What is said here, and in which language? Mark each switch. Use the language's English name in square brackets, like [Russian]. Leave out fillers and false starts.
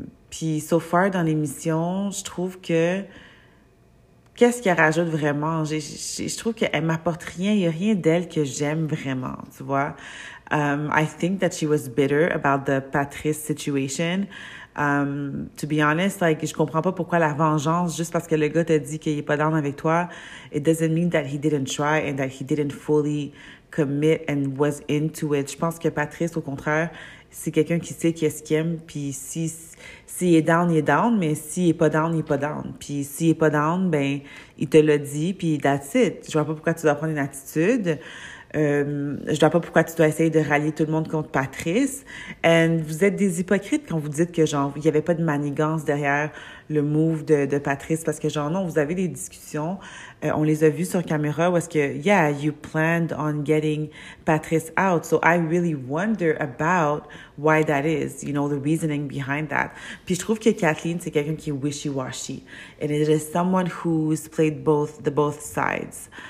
[French] Puis so far dans l'émission, je trouve que qu'est-ce qu'elle rajoute vraiment? Je trouve qu'elle m'apporte rien, il y a rien d'elle que j'aime vraiment, tu vois. [English] I think that she was bitter about the Patrice situation. To be honest, like, [French] je comprends pas pourquoi la vengeance, juste parce que le gars t'a dit qu'il est pas down avec toi, [English] it doesn't mean that he didn't try and that he didn't fully commit and was into it. [French] Je pense que Patrice, au contraire, c'est quelqu'un qui sait qu'est-ce qu'il aime, puis si s'il est down, il est down, mais s'il est pas down, il est pas down. Puis s'il est pas down, ben il te l'a dit, puis that's it. Je vois pas pourquoi tu dois prendre une attitude. Je vois pas pourquoi tu dois essayer de rallier tout le monde contre Patrice. And vous êtes des hypocrites quand vous dites que genre il y avait pas de manigance derrière le move de Patrice, parce que genre non, vous avez des discussions, on les a vues sur caméra, où est-ce que yeah, [English] you planned on getting Patrice out. So I really wonder about why that is, you know, the reasoning behind that. [French] Puis je trouve que Kathleen, c'est quelqu'un qui est wishy-washy. [English] And it is someone who's played both sides.